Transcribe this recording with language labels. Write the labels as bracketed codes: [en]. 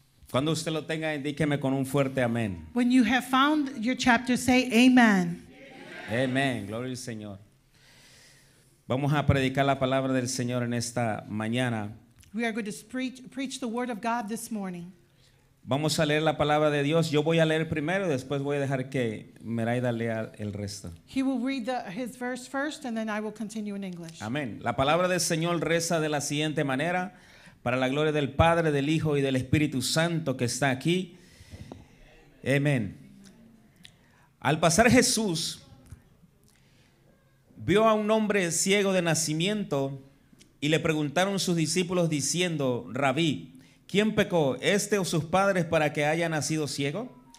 [es] Cuando usted lo tenga, indíqueme con un fuerte amén. [en] When you have found your chapter, say amen. [es] Amen. Amen. Gloria al Señor. Vamos a predicar la palabra del Señor en esta mañana. [en] We are going to preach the word of God this morning. [es] Vamos a leer la palabra de Dios. Yo voy a leer primero, después voy a dejar que Meraida lea el resto. [en] He will read his verse first and then I will continue in English. [es] Amén. La palabra del Señor reza de la siguiente manera: para la gloria del Padre, del Hijo y del Espíritu Santo que está aquí. Amén. Al pasar Jesús vio a un hombre ciego de nacimiento y le preguntaron sus discípulos diciendo: Rabí, ¿quién pecó, este o sus padres, para que haya nacido ciego?